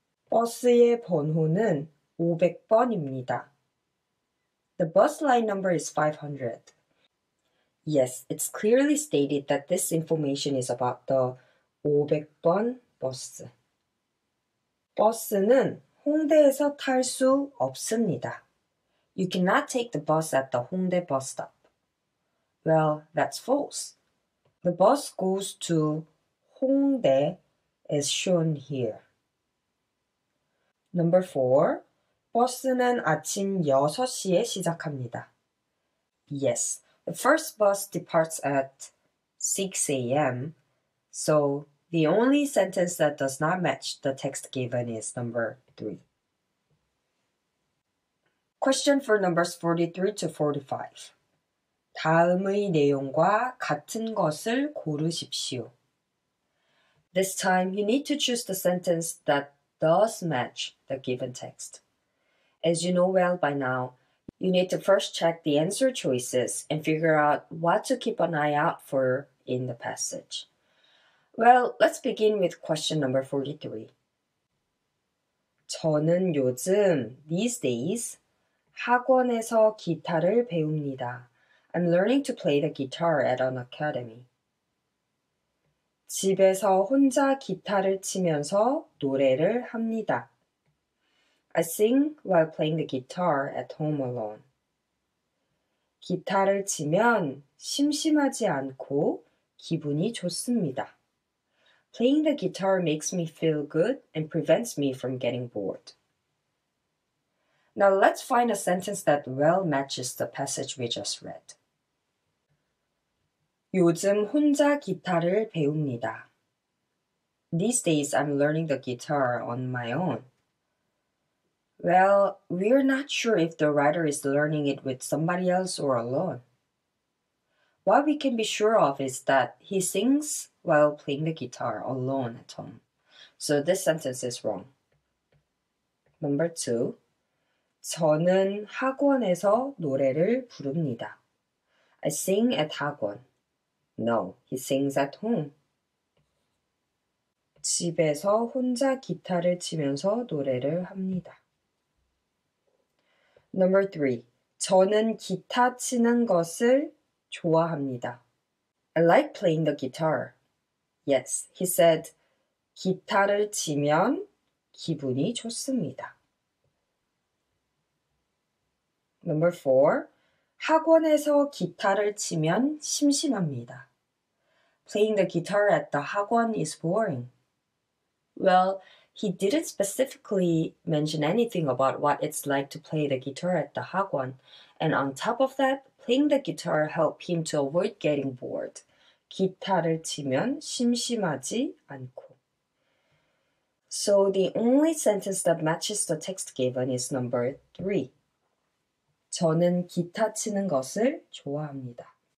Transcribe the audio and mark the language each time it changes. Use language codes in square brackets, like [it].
[ko] 버스의 번호는 500번입니다. [en] The bus line number is 500. Yes, it's clearly stated that this information is about the [ko] 500번 버스. 버스는 홍대에서 탈 수 없습니다. [en] You cannot take the bus at the 홍대 bus stop. Well, that's false. The bus goes to 홍대 as shown here. Number 4. [ko] 버스는 아침 6시에 시작합니다. [en] Yes, the first bus departs at 6 a.m. So, the only sentence that does not match the text given is number 3. Question for numbers 43 to 45. [ko] 다음의 내용과 같은 것을 고르십시오. [en] This time, you need to choose the sentence that does match the given text. As you know well by now, you need to first check the answer choices and figure out what to keep an eye out for in the passage. Well, let's begin with question number 43. [ko] 저는 요즘, [en] these days, [ko] 학원에서 기타를 배웁니다. [en] I'm learning to play the guitar at an academy. [ko] 집에서 혼자 기타를 치면서 노래를 합니다. [en] I sing while playing the guitar at home alone. [ko] 기타를 치면 심심하지 않고 기분이 좋습니다. [en] Playing the guitar makes me feel good and prevents me from getting bored. Now let's find a sentence that well matches the passage we just read. [ko] 요즘 혼자 기타를 배웁니다. [en] These days, I'm learning the guitar on my own. Well, we're not sure if the writer is learning it with somebody else or alone. What we can be sure of is that he sings while playing the guitar alone at home. So this sentence is wrong. Number 2. [ko] 저는 학원에서 노래를 부릅니다. [en] I sing at 학원. No, he sings at home. [ko] 집에서 혼자 기타를 치면서 노래를 합니다. [en] Number 3. [ko] 저는 기타 치는 것을 좋아합니다. [en] I like playing the guitar. Yes, he said, [ko] 기타를 치면 기분이 좋습니다. [en] Number 4. [ko] 학원에서 기타를 치면 심심합니다. [en] Playing the guitar at the 학원 is boring. Well, he didn't specifically mention anything about what it's like to play the guitar at the 학원. And on top of that, playing the guitar helped him to avoid getting bored. [ko] 기타를 치면 심심하지 않고. [en] So the only sentence that matches the text given is number 3. [ko] 저는 기타 치는 것을 좋아합니다.